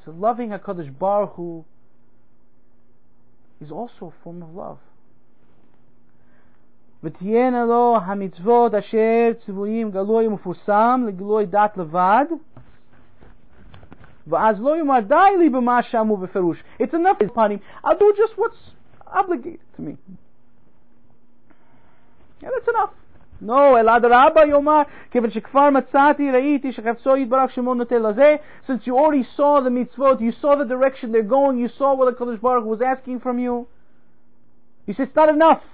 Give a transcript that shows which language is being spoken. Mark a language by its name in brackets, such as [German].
[English] So loving HaKadosh Baruch Hu is also a form of love. [Hebrew] ותהיינה לו המצוות אשר ציוויים גלוי ומפורסם לגלוי דת לבד, ואז לא יאמר די לי במה שאמרו בפירוש. [English] It's enough with panim. I'll do just what's obligated to me. Yeah, that's enough. No, [Hebrew] אלא דרבה יאמר, כיוון שכבר מצאתי, ראיתי שחפצו יתברך שמו נוטה לזה. [English] Since you already saw the mitzvot, you saw the direction they're going, you saw what the Kodesh Baruch was asking from you. He says, it's not enough.